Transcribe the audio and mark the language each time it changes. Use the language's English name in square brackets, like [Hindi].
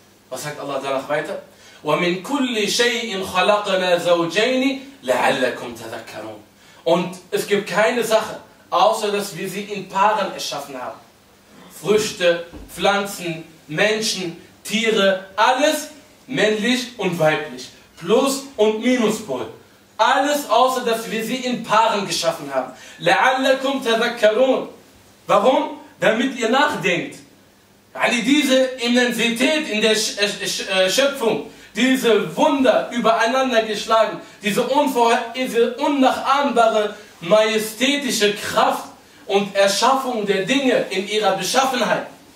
[German] Was sagt Allah danach weiter? [Arabic] وَمِنْ كُلِّ شَيْءٍ خَلَقْنَا زَوْجَيْنِ لَعَلَّكُمْ تَذَكَّرُونَ, [German] und es gibt keine Sache, außer dass wir sie in Paaren erschaffen haben. Früchte, Pflanzen, Menschen, Tiere, alles männlich und weiblich. Plus und Minuspol. Alles außer dass wir sie in Paaren geschaffen haben. [Arabic] لَعَلَّكُمْ تَذَكَّرُونَ, warum? [German] Damit ihr nachdenkt. Also diese Immensität in der Schöpfung, diese Wunder übereinander geschlagen, diese unnachahmbare majestätische Kraft und Erschaffung der Dinge in ihrer Beschaffenheit.